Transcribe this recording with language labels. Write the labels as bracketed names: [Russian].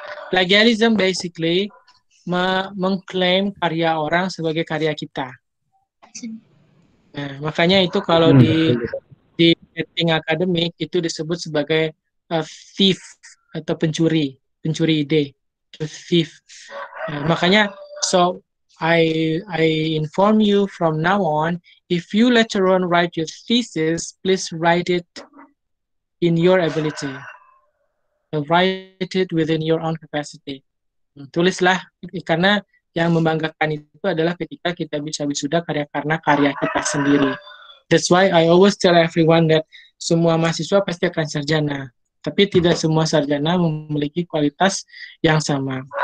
[English] Plagiarism basically [Indonesian] mengklaim karya orang sebagai karya kita. Nah, makanya itu kalau di setting akademik itu disebut sebagai thief atau pencuri ide, thief. Nah, makanya [English] so I inform you from now on, if you later on write your thesis, please write it in your ability, write it within your own capacity. [Indonesian] Tulislah, karena yang membanggakan itu adalah ketika kita bisa wisuda karya karena karya kita sendiri. [English] That's why I always tell everyone that [Indonesian] semua mahasiswa pasti akan sarjana, tapi tidak semua sarjana memiliki kualitas yang sama.